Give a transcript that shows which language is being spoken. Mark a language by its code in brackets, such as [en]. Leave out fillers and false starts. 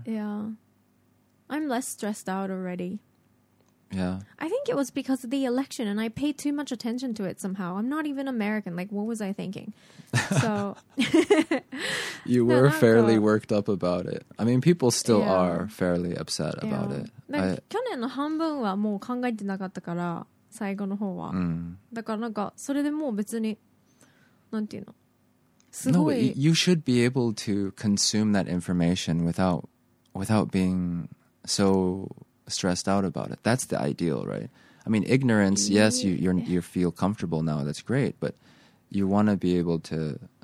[en] Yeah. I'm less stressed out already. Yeah. I think it was because of the election and I paid too much attention to it somehow. I'm not even American. Like, what was I thinking? So. You were fairly worked up about it. I mean, people still are fairly upset about it. [ja] 去年の半分はもう考えてなかったから、最後の方は。だからなんか、それでもう別に、なんていうの。すごい。 [en] No, you should be able to consume that information without being... So stressed out about it. That's the ideal, right? I mean, ignorance, yes, you feel comfortable now. That's great. But you want to be able to...